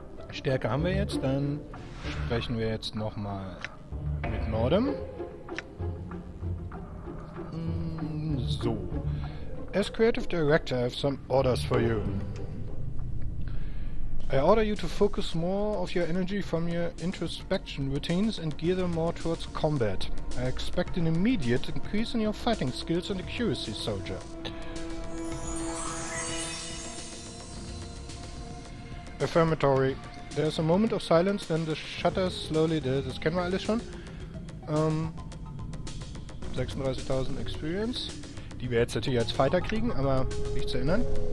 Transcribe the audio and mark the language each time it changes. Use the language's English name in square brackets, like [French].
[German] Stärke haben wir jetzt, dann sprechen wir jetzt nochmal mit Nordom. So. [English] As Creative Director, I have some orders for you. I order you to focus more of your energy from your introspection routines and gear them more towards combat. I expect an immediate increase in your fighting skills and accuracy, soldier. Affirmatory. There's a moment of silence, then the shutters slowly... [German] Das kennen wir alles schon. 36.000 Experience, die wir jetzt natürlich als Fighter kriegen, aber nicht zu erinnern.